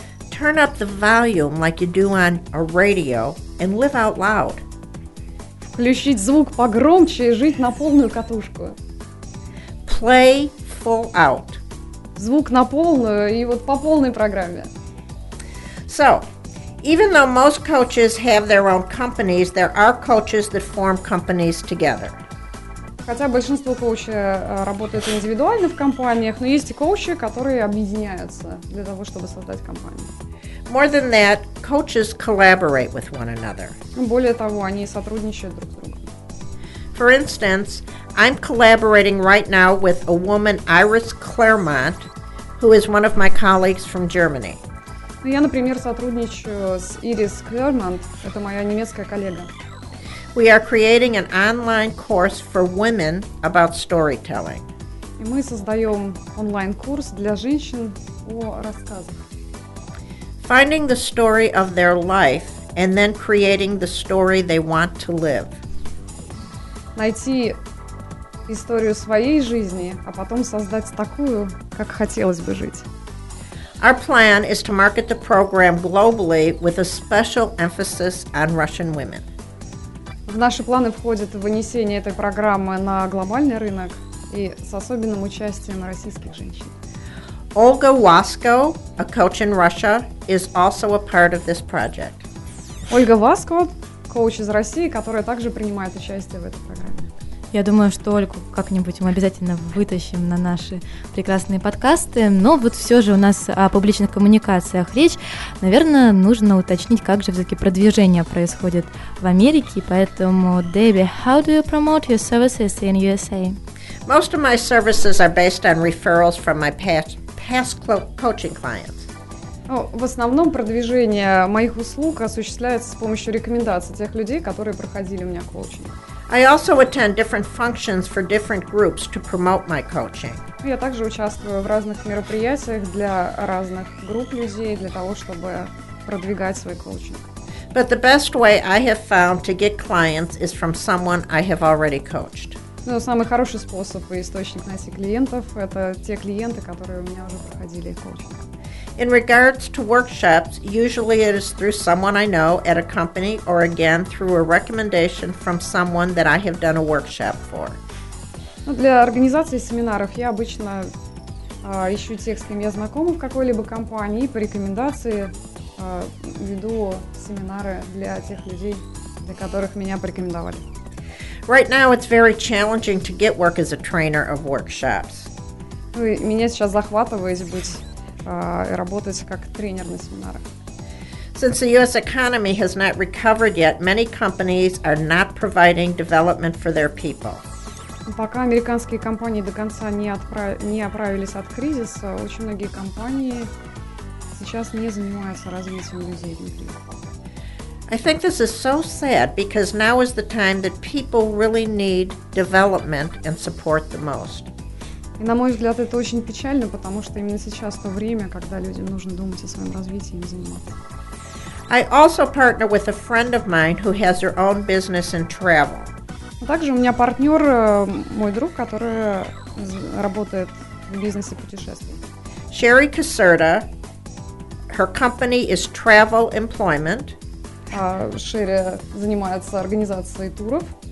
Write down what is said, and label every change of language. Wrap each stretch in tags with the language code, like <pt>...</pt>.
<en>Turn up the volume like you do on a radio and live out loud.</en> <ru>Включить звук погромче и жить на полную катушку.</ru> <en>Play full out.</en> <ru>Звук на полную и вот по полной программе.</ru> <en>So, even though most coaches have their own companies, there are coaches that form companies together.</en> <ru>Хотя большинство коучей работают индивидуально в компаниях, но есть и коучи, которые объединяются для того, чтобы создать компанию.</ru> <en>More than that, coaches collaborate with one another.</en> <ru>Более того, они сотрудничают друг с другом. В</ru> <en>For instance, I'm collaborating right now with a woman, Iris Claremont, who is one of my colleagues from Germany.</en> <ru>Я, например, сотрудничаю с Ирис Клерман, это моя немецкая коллега.</ru> <en>We are creating an online course for women about storytelling.</en> <ru>И мы создаем онлайн-курс для женщин о рассказах.</ru> <en>Finding the story of their life and then creating the story they want to live.</en> <ru>Найти историю своей жизни, а потом создать такую, как хотелось бы жить.</ru> <en>Our plan is to market the program globally with a special emphasis on Russian women.</en> <ru>В наши планы входит вынесение этой программы на глобальный рынок и с особенным участием российских женщин.</ru> <en>Olga Wasko, a coach in Russia, is also a part of this project.</en> <ru>Ольга Васко, коуч из России, которая также принимает участие в этой программе. Я думаю, что Ольгу как-нибудь мы обязательно вытащим на наши прекрасные подкасты. Но вот все же у нас о публичных коммуникациях речь. Наверное, нужно уточнить, как же все-таки продвижение происходит в Америке. Поэтому, Дебби,</ru> <en>how do you promote your services in USA? Most of my services are based on referrals from my past coaching clients.</en> <ru>Ну, в основном продвижение моих услуг осуществляется с помощью рекомендаций тех людей, которые проходили у меня коучинг.</ru> <en>I also attend different functions for different groups to promote my coaching.</en> <ru>Я также участвую в разных мероприятиях для разных групп людей, для того, чтобы продвигать свой коучинг.</ru> <en>But the best way I have found to get clients is from someone I have already coached.</en> <ru>Ну, самый хороший способ и источник найти клиентов – это те клиенты, которые у меня уже проходили коучинг.</ru> <en>In regards to workshops, usually it is through someone I know at a company or again through a recommendation from someone that I have done a workshop for.</en> <ru>Ну, для организации семинаров я обычно ищу тех, с кем я знакома в какой-либо компании, по рекомендации веду семинары для тех людей, для которых меня порекомендовали.</ru> <en>Right now it's very challenging to get work as a trainer of workshops.</en> <ru>Ну, меня сейчас захватывает быть и работать как тренер на семинарах.</ru> <en>Since the U.S. economy has not recovered yet, many companies are not providing development for their people.</en> <ru>Пока американские компании до конца не оправились от кризиса, очень многие компании сейчас не занимаются развитием людей внутри.</ru> <en>I think this is so sad because now is the time that people really need development and support the most.</en> <ru>И, на мой взгляд, это очень печально, потому что именно сейчас то время, когда людям нужно думать о своем развитии и заниматься.</ru> <en>I also partner with a friend of mine who has her own business in travel.</en> <ru>Также у меня партнер, мой друг, который работает в бизнесе путешествий.</ru> <en>Sherry Caserta, her company is Travel Employment.</en> <ru>Sherry занимается организацией туров.</ru>